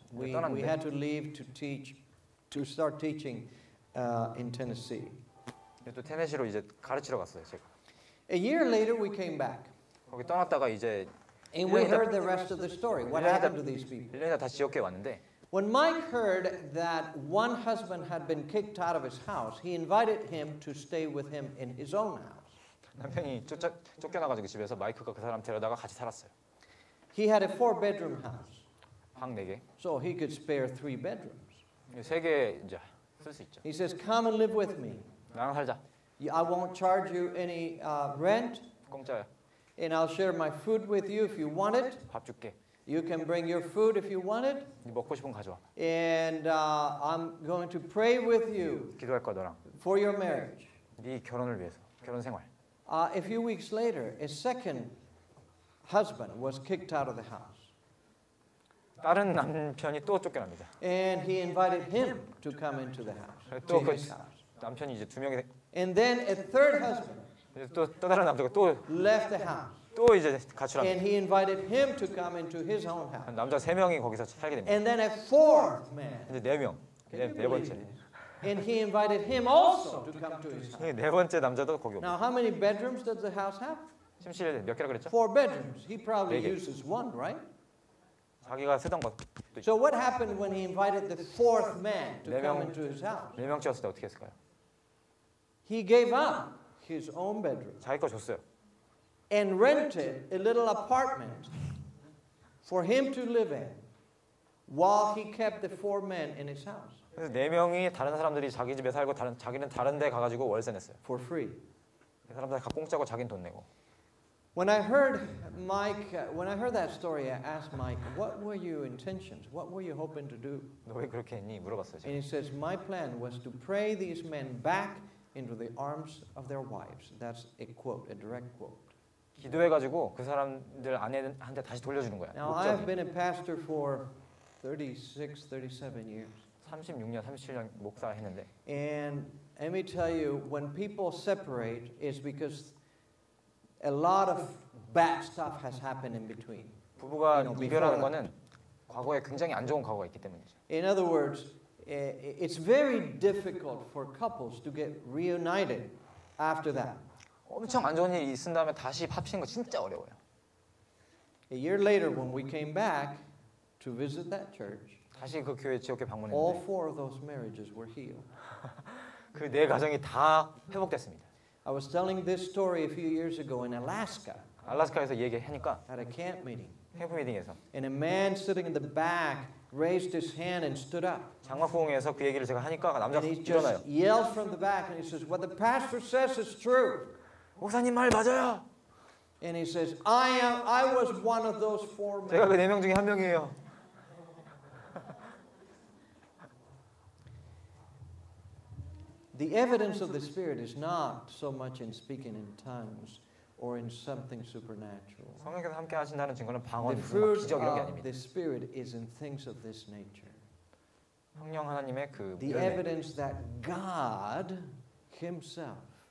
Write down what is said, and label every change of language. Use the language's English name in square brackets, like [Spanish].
[English] We had to leave to teach, to start teaching in Tennessee. [Korean] 또 테네시로 이제 가르치러 갔어요, 제가. [English] A year later we came back. [Korean] 거기 떠났다가 이제 [English] And we heard the rest of the story. What happened to these people? [Korean] 1년 이따 다시 지역에 왔는데 [English] When Mike heard that one husband had been kicked out of his house, he invited him to stay with him in his own house. [Korean] 남편이 쫓겨나 가지고 집에서 마이크가 그 사람 데려다가 같이 살았어요. [English] He had a 4-bedroom house. [Korean] 방 4개. [English] So he could spare 3 bedrooms. [Korean] 세 개 이제 쓸 수 있죠. [English] He says come and live with me. [Korean] 나랑 살자. [English] I won't charge you any rent. [Korean] 공짜야. [English] And I'll share my food with you if you want it. [Korean] 밥 줄게. [English] You can bring your food if you want it. [Korean] 네 먹고 싶은 거 가져와. [English] And I'm going to pray with you. [Korean] 기도할 거 너랑. [English] For your marriage. [Korean] 네 결혼을 위해서 결혼 생활. [English] A few weeks later, a second husband was kicked out of the house. [Korean] 다른 남편이 또 쫓겨납니다. [English] And he invited him to come into the house. [Korean] 또 그 남편이 이제 두 명이. [English] And then a third husband. [Korean] 또 다른 남자가 또 [English] left the house. [Korean] 또 이제 가출합니다. [English] And he invited him to come into his own house. [Korean] 남자 세 명이 거기서 살게 됩니다. [English] And then a fourth man. [Korean] 이제 네 명. 네 번째. [English] And he invited him also to come to his house. [Korean] 네 번째 남자도 거기 [English] Now how many bedrooms does the house have? [Korean] 침실 몇 개라고 그랬죠? [English] Four bedrooms. He probably uses one, right? [Korean] 자기가 쓰던 것. [English] So what happened when he invited the fourth man to come into his house? [Korean] 네 명째였을 때 어떻게 했을까요? [English] He gave up his own bedroom. [Korean] 자기 거 줬어요. [English] And rented a little apartment for him to live in while he kept the four men in his house. [Korean] 그래서 네 명이 다른 사람들이 자기 집에 살고 자기는 다른 데 가가지고 월세 냈어요. [English] For free. [Korean] 그 사람들 다 공짜고 자기는 돈 내고. [English] When I heard Mike, when I heard that story, I asked Mike, "What were your intentions? What were you hoping to do?" [Korean] 너 왜 그렇게 했니? 물어봤어요. 제가. [English] And he says, "My plan was to pray these men back into the arms of their wives." That's a quote, a direct quote. [Korean] 기도해가지고 그 사람들 아내한테 다시 돌려주는 거야. [English] Now I've been a pastor for 36, 37 years. [Korean] 36년, 37년 목사 했는데. [English] And let me tell you, when people separate, it's because a lot of bad stuff has happened in between. [Korean] 부부가 이별하는 거는 과거에 굉장히 안 좋은 과거가 있기 때문이죠. [English] In other words, it's very difficult for couples to get reunited after that. [Korean] 엄청 안 좋은 일이 있은 다음에 다시 합치는 거 진짜 어려워요. [English] A year later, when we came back to visit that church. [Korean] 다시 그 교회 지역에 방문했는데 [English] All four of those marriages were healed. [Korean] 그 네 가정이 다 회복됐습니다. [English] I was telling this story a few years ago in Alaska. [Korean] 알래스카에서 얘기하니까 [English] at a camp meeting. [Korean] 캠프 미팅에서 [English] And a man sitting in the back raised his hand and stood up. [Korean] 장막공에서 그 얘기를 제가 하니까 남자가 일어나요. [English] He yelled from the back and he says, "What the pastor says is true." [Korean] 목사님 말 맞아요. [English] And he says, "I was one of those four men." [Korean] 제가 그 네 명 중에 한 명이에요. [English] The evidence of the Spirit is not so much in speaking in tongues or in something supernatural. [Korean] 성령께서 함께 하신다는 증거는 방언, 기적 이런 게 아닙니다. [English] The Spirit is in things of this nature. [Korean] 성령 하나님의 그 [English] The evidence that God Himself